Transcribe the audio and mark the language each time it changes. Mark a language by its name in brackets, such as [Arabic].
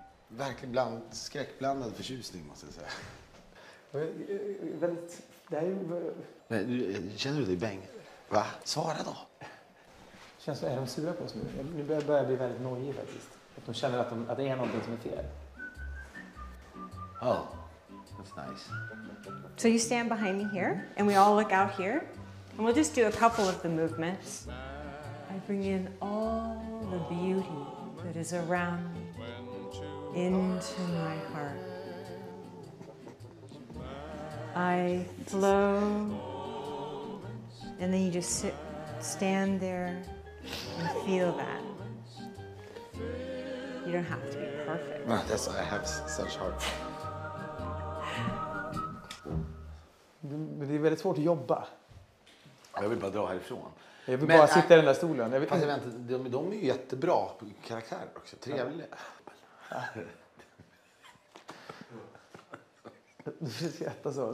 [Swedish] Verkligen bland, skräckblandad förtjusning måste jag säga. Väldigt, det är ju... Men nu, känner du dig bäng? Va? Svara då! Känns det, är de sura på oss nu? Nu börjar jag bli väldigt nojig faktiskt. Att de känner att, att det är någonting som är fel. [English] Oh, that's nice. So you stand behind me here, and we all look out here. And we'll just do a couple of the movements. I bring in all the beauty that is around me. Into my heart. I flow, and then you just sit, stand there and feel that. You don't have to be perfect. No, that's why I have such heart. [Swedish] Det är väldigt svårt att jobba. Jag vill bara dra härifrån. Jag vill bara sitta i den där stolen. Jag vill... Fast vänta, de är ju jättebra på karaktär också. Trevliga. Ja. Du ska äta så.